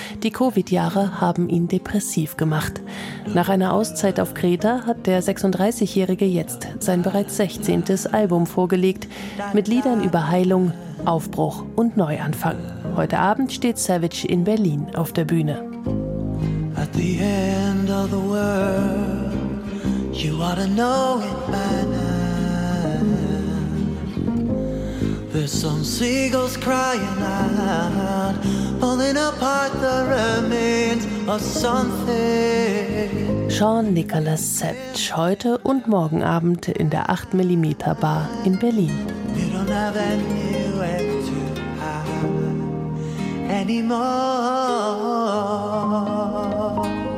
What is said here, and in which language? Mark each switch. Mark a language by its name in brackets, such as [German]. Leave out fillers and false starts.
[German] Die Covid-Jahre haben ihn depressiv gemacht. Nach einer Auszeit auf Kreta hat der 36-Jährige jetzt sein bereits 16. Album vorgelegt. Mit Liedern über Heilung, Aufbruch und Neuanfang. Heute Abend steht Savage in Berlin auf der Bühne. [English] At the end of the world, you ought to know it by now. There's some seagulls crying out, pulling apart the remains of something. [German] Sean Nicholas Savage, heute und morgen Abend in der 8mm Bar in Berlin. [English] You don't have a new end to have anymore.